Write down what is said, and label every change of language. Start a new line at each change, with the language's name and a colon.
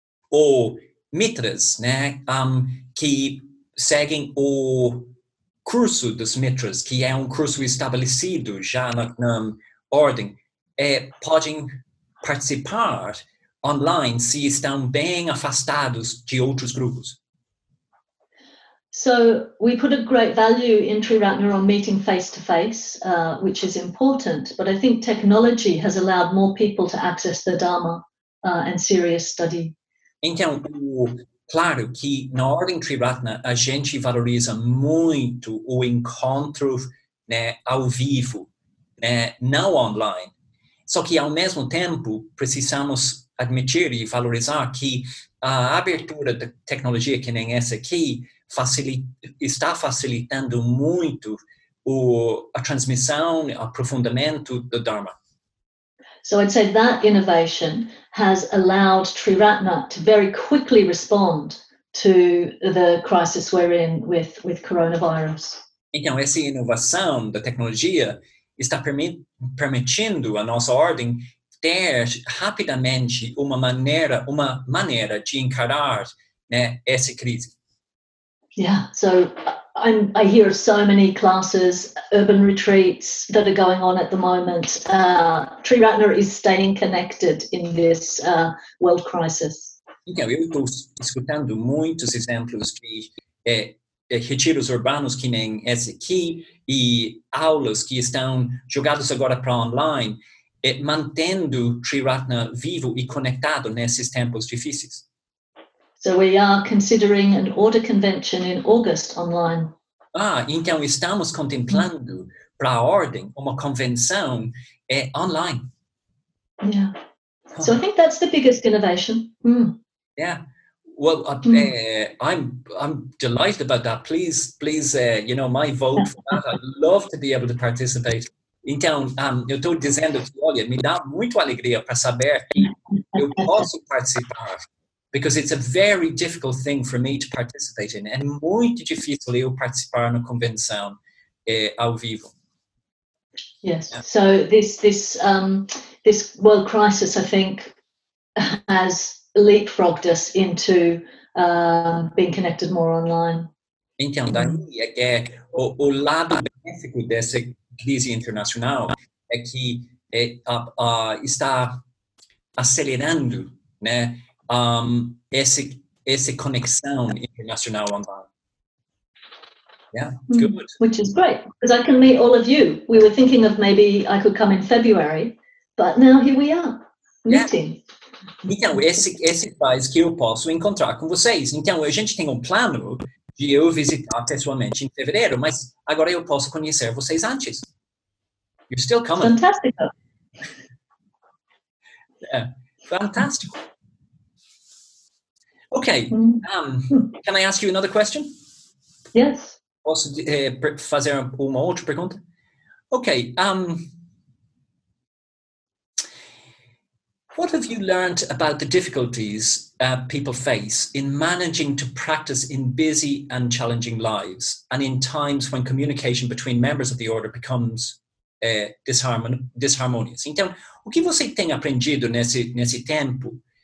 Portuguese: Or mitras, né, que seguem o curso dos mitras, que é um curso estabelecido já na ordem, podem participar online se estão bem afastados de outros grupos.
English: So we put a great value in Triratna on meeting face to face, which is important, but I think technology has allowed more people to access the Dharma and serious study.
Portuguese: Então, claro que na ordem Triratna a gente valoriza muito o encontro, né, ao vivo, né, não online. Só que ao mesmo tempo precisamos admitir e valorizar que a abertura da tecnologia que nem essa aqui está facilitando muito a transmissão, o aprofundamento do Dharma.
English: So I'd say that innovation has allowed Triratna to very quickly respond to the crisis we're in with coronavirus.
Portuguese: Então, essa inovação da tecnologia está permitindo a nossa ordem ter rapidamente uma maneira de encarar, né, essa crise.
English: Yeah, so I hear of so many classes, urban retreats that are going on at the moment. Triratna is staying connected in this world crisis.
Portuguese: Então, eu estou escutando muitos exemplos de retiros urbanos que nem esse aqui e aulas que estão jogadas agora para online, mantendo Triratna vivo e conectado nesses tempos difíceis.
English: So we are considering an order convention in August online.
Portuguese: Ah, então estamos contemplando para a ordem uma convenção online.
English: Yeah. So I think that's the biggest innovation. Mm. Yeah. Well, I'm delighted about that. Please, you know, my vote for that. I'd love to be able to participate.
Portuguese: Então, eu estou dizendo que, olha, me dá muito alegria para saber que eu posso participar.
English: Because it's a very difficult thing for me to participate in.
Portuguese: And muito difícil eu participar na convenção ao vivo.
English: Yes. Yeah. So this world crisis, I think, has leapfrogged us into being connected more online.
Portuguese: Então, daí é que o lado benéfico dessa crise internacional é que está acelerando, né? Esse conexão internacional online.
English: Yeah, good. Which is great, because I can meet all of you. We were thinking of maybe I could come in February, but now here we are, meeting. Yeah.
Portuguese: Então, esse faz que eu posso encontrar com vocês. Então, a gente tem um plano de eu visitar pessoalmente em fevereiro, mas agora eu posso conhecer vocês antes.
English: You're still coming.
Portuguese: Fantástico. Yeah, fantástico.
English: Okay, can I ask you another question? Yes.
Portuguese: Posso fazer uma outra pergunta?
English: Okay, what have you learned about the difficulties people face in managing to practice in busy and challenging lives and in times when communication between members of the order becomes disharmonious?
Portuguese: Então, o que você tem aprendido nesse tempo?